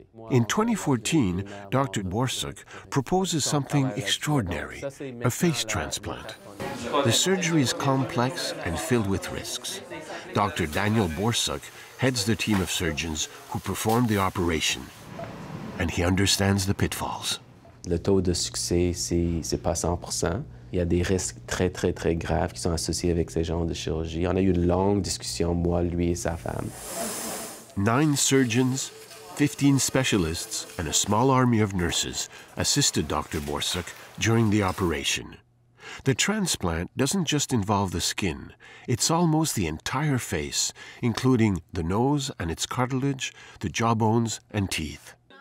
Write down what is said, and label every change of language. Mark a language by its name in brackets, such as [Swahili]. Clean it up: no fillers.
[English] In 2014, Dr. Borsuk proposes something extraordinary, a face transplant. The surgery is complex and filled with risks. Dr. Daniel Borsuk heads the team of surgeons who performed the operation, and he understands the pitfalls. [French] Le taux de succès, c'est pas 100%. Il y a des risques très, très, très graves qui sont associés avec ce genre de chirurgie. On a eu une longue discussion, moi, lui et sa femme. [English] 9 surgeons, 15 specialists, and a small army of nurses assisted Dr. Borsuk during the operation. The transplant doesn't just involve the skin. It's almost the entire face, including the nose and its cartilage, the jawbones and teeth.